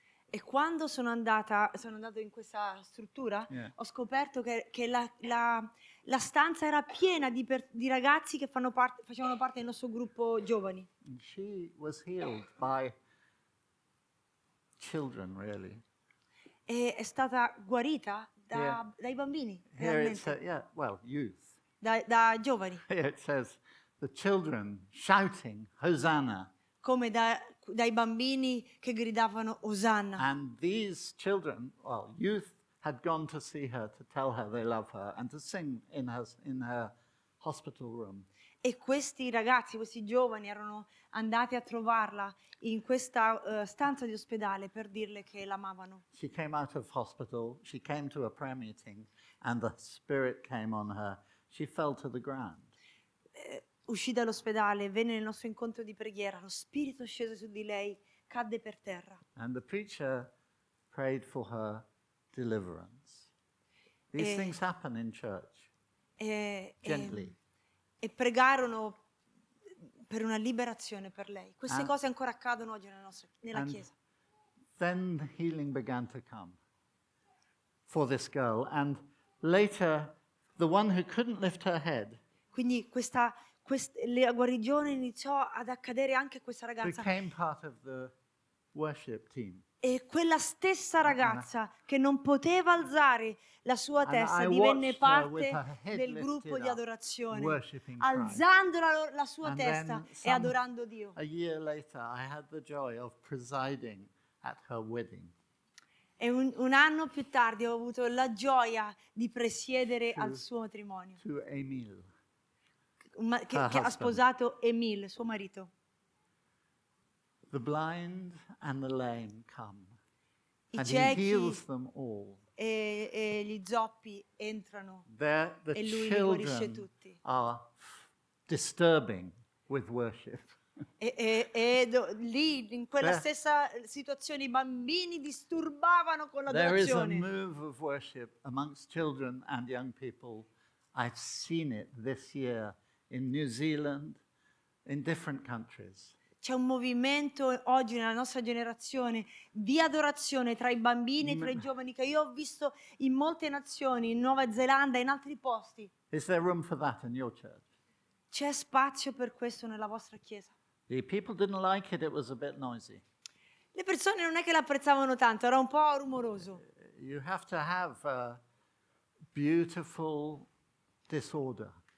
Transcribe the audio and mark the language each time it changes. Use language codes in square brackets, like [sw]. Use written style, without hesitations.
[it] E quando sono andato in questa struttura, ho scoperto che la stanza era piena di ragazzi che facevano parte del nostro gruppo giovani. [en] And she was healed by children, really. [it] E è stata guarita dai bambini. [en] Here it's youth. [it] Da giovani. [en] It says the children shouting Hosanna. [it] Come dai bambini che gridavano Osanna. [en] And these children, youth, had gone to see her to tell her they love her and to sing in her hospital room. [it] E questi ragazzi, questi giovani, erano andati a trovarla in questa stanza di ospedale per dirle che l'amavano. [en] She came out of hospital. She came to a prayer meeting, and the Spirit came on her. She fell to the ground. [it] Uscì dall'ospedale, venne nel nostro incontro di preghiera, lo spirito scese su di lei, cadde per terra. [en] And the preacher prayed for her deliverance. These things happen in church. Gently. [it] E pregarono per una liberazione per lei. Queste cose ancora accadono oggi nella chiesa. [en] Then the healing began to come for this girl, and later the one who couldn't lift her head. [it] Quindi questa la guarigione iniziò ad accadere anche a questa ragazza. [en] Became part of the worship team. [it] E quella stessa ragazza che non poteva alzare la sua testa divenne parte del gruppo di adorazione, alzando la sua testa e adorando Dio. [en] A year later, I had the joy of presiding at her wedding. [it] E un anno più tardi ho avuto la gioia di presiedere al suo matrimonio. [en] To Emil, [it] che ha sposato Emil, suo marito. [en] The blind and the lame come, and he heals them all. [it] E gli zoppi entrano. [en] The children are disturbing with worship. [it] Lì in quella stessa situazione i bambini disturbavano con l'adorazione. [en] There is a move of worship amongst children and young people. I've seen it this year in New Zealand, in different countries. [it] C'è un movimento oggi nella nostra generazione di adorazione tra i bambini e tra i giovani che io ho visto in molte nazioni, in Nuova Zelanda e in altri posti. [en] Is there room for that in your church? [it] C'è spazio per questo nella vostra chiesa? [en] The people didn't like it, it was a bit noisy. [it] Le persone non è che l'apprezzavano tanto, era un po' rumoroso. [en] You have to have a beautiful disorder.